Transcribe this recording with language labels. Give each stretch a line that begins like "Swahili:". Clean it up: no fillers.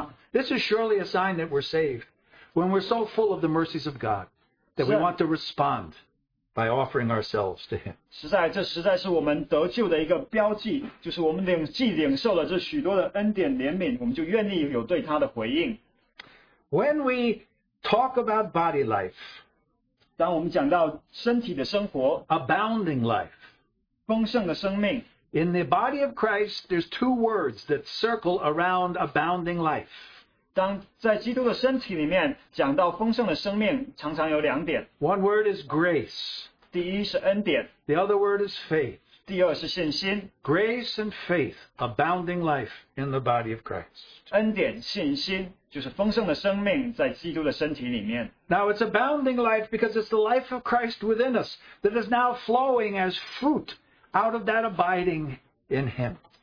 English: This is surely a sign that we're saved when we're so full of the mercies of God that we want to respond by offering ourselves to Him.
Chinese: 实在这实在是我们得救的一个标记, 就是我们领受了这许多的恩典怜悯, 我们就愿意有对他的回应。
English: When we talk about body life,
Chinese: 当我们讲到身体的生活,
English: abounding life,
Chinese: 丰盛的生命,
English: in the body of Christ, there's two words that circle around abounding life.
Chinese: 当在基督的身体里面, 讲到丰盛的生命, 常常有两点。
English: One word is grace. The other word is faith. Grace and faith, abounding life in the body of Christ.
Chinese: 恩典,信心,
English: now it's abounding life because it's the life of Christ within us that is now flowing as fruit out of that abiding in Him.